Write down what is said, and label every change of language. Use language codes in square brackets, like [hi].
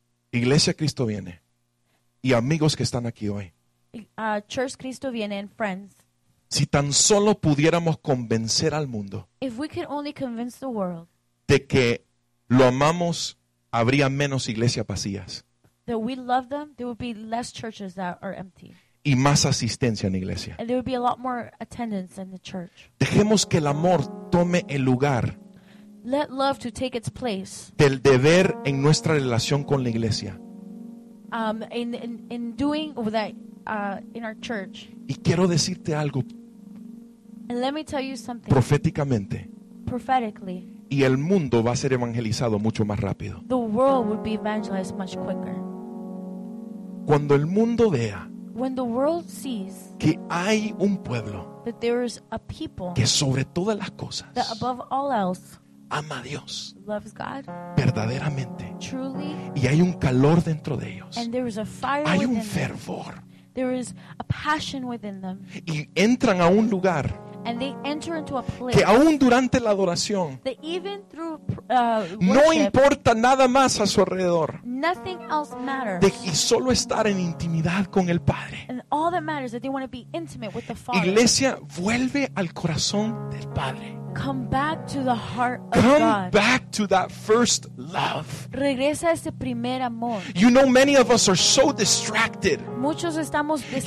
[es] Iglesia Cristo Viene y amigos que están aquí hoy. [en] Church Cristo Viene and friends. [es] Si tan solo pudiéramos convencer al mundo, [en] if we could only convince the world, [es] de que lo amamos, habría menos iglesias vacías. [en] That we love them, there would be less churches that are empty. [es] Y más asistencia en la iglesia. [en] And there would be a lot more attendance in the church. [es] Dejemos que el amor tome el lugar. [en] Let love to take its place. [es] Del deber en nuestra relación con la iglesia. [en] In doing that in our church. [es] Y quiero decirte algo. [en] And let me tell you something. [es] Proféticamente. [en] Prophetically. [es] Y el mundo va a ser evangelizado mucho más rápido. [en] The world would be evangelized much quicker. [es] Cuando el mundo vea. [en] When the world sees [es] que hay un pueblo, [en] that there is a people, [es] que sobre todas las cosas, [en] that above all else, [es] ama a Dios, [en] loves God, [es] verdaderamente, [en] truly, [es] y hay un calor dentro de ellos, [en] and there is a fire, [es] hay [en] within [es] un fervor, [en] them, there is a passion within them, [es] y entran a un lugar, [en] and they enter into a place [es] que aún durante la adoración [en] that even through, [es] no importa nada más a su alrededor, [en] nothing else matters, [es] de que solo estar en intimidad con el Padre. [en] And all that matters is that they want to be intimate with the Father. [es] Iglesia, vuelve al corazón del Padre. [en] Come back to the heart of Come God. Come back to that first love. [es] Regresa a ese primer amor. [en] You know, many of us are so distracted. [es] Muchos estamos distraídos.